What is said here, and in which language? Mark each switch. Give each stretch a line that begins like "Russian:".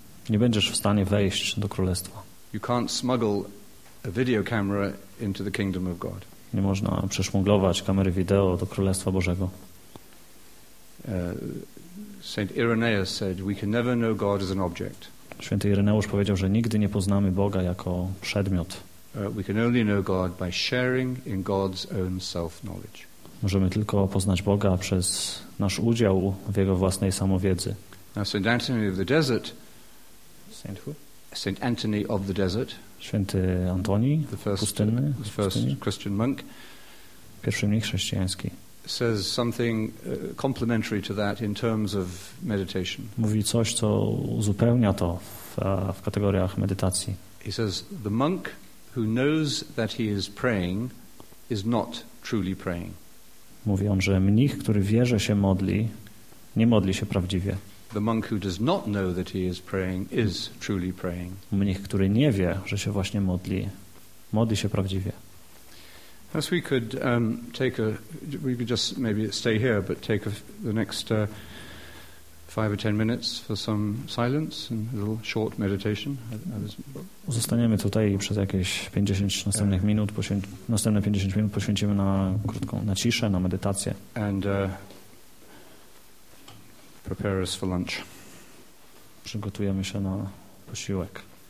Polish: Nie będziesz w stanie wejść do Królestwa.
English: You can't smuggle a video camera into the kingdom of God.
Polish: Nie można przeszmuglować kamery wideo do Królestwa Bożego.
English: Saint Irenaeus said, we can never know God as an object.
Polish: Święty Ireneusz powiedział, że nigdy nie poznamy Boga jako przedmiot.
English: We can only know God by sharing in God's own self-knowledge.
Polish: Możemy tylko poznać Boga przez nasz udział w Jego własnej samowiedzy.
English: Now Saint Anthony of the Desert, Saint Anthony of the Desert,
Polish: Święty Antoni, pustynny,
English: the first Christian monk,
Polish: pierwszy mnich chrześcijański,
English: says something complementary to that in terms of meditation.
Polish: Mówi coś, co uzupełnia to w kategoriach medytacji.
English: He says the monk who knows that he is praying is not truly praying.
Polish: Mówi on, że mnich, który wie, że się modli, nie modli się prawdziwie.
English: The monk who does not know that he is praying is truly praying.
Polish: Mnich, który nie wie, że się właśnie modli, modli się prawdziwie.
English: As we could we could just maybe stay here, but take the next 5 or 10 minutes for some silence and a little short meditation.
Polish: Zostaniemy tutaj przez jakieś 50 następnych minut, następne 50 minut poświęcimy na krótką, na ciszę, na medytację.
English: And prepare us for lunch.
Polish: Przygotujemy się na posiłek.